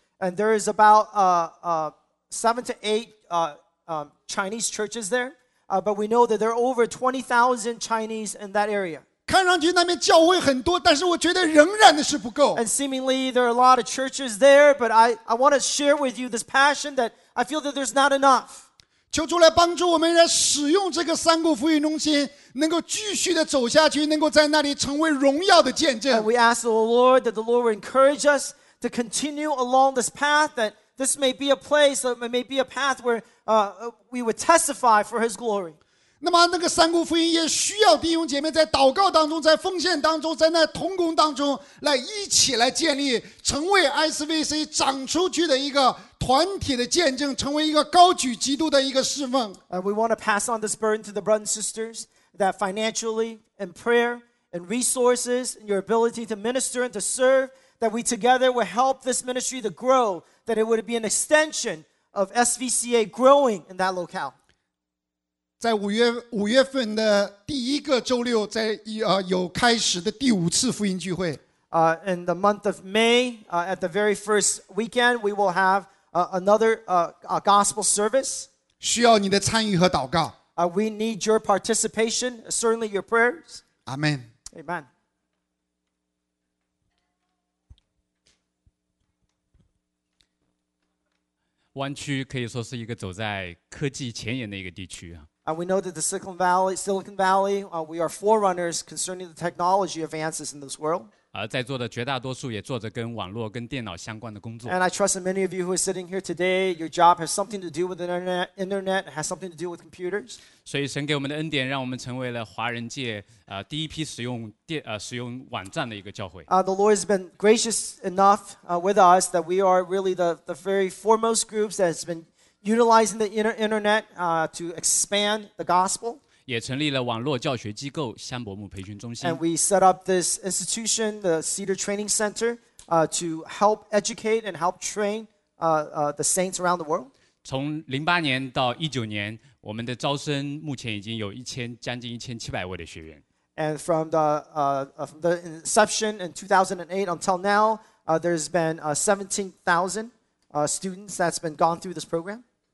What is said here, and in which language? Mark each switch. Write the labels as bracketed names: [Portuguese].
[English] And there is about 7 to 8 Chinese churches there, but we know that there are over 20,000 Chinese in that area. [Chinese] 看上去那边教会很多，但是我觉得仍然是不够。 [English] And seemingly there are a lot of churches there, but I want to share with you this passion that I feel that there's not enough. [Chinese] 求主来帮助我们来使用这个三谷福音中心能够继续的走下去，能够在那里成为荣耀的见证。 [English] And we ask the Lord that the Lord will encourage us to continue along this path, that this may be a place, that it may be a path where we would testify for his glory. [Chinese] 那么那个三谷福音也需要弟兄姐妹在祷告当中，在奉献当中，在那同工当中来一起来建立，成为 ICVC 长出去的一个团体的见证，成为一个高举基督的一个侍奉。 [English] We want to pass on this burden to the brothers and sisters that financially and prayer and resources and your ability to minister and to serve, that we together will help this ministry to grow, that it would be an extension of SVCA growing in that locale. [Chinese] 在五月份的第一个周六，在有开始的第五次福音聚会。 [English] In the month of May, at the very first weekend, we will have. Gospel service. [Chinese] 需要你的参与和祷告。 [English] We need your participation, certainly your prayers. Amen. Amen. [Chinese] 湾区可以说是一个走在科技前沿的一个地区。 [English] We know that the Silicon Valley, we are forerunners concerning the technology advances in this world. [Chinese] 在座的绝大多数也做着跟网络跟电脑相关的工作。 [English] And I trust that many of you who are sitting here today, your job has something to do with internet, has something to do with computers. [Chinese] 所以神给我们的恩典，让我们成为了华人界第一批使用网站的一个教会。 [English] The Lord has been gracious enough with us that we are really the very foremost groups that has been utilizing the internet to expand the gospel. [Chinese] 也成立了网络教学机构香伯姆培训中心。 [English] And we set up this institution, the Cedar Training Center, to help educate and help train the saints around the world. [Chinese] 从08年到19年，我们的招生目前已经有将近1700位的学员。 [English] And from the inception in 2008 until now, there's been 17,000 students that's been gone through this program.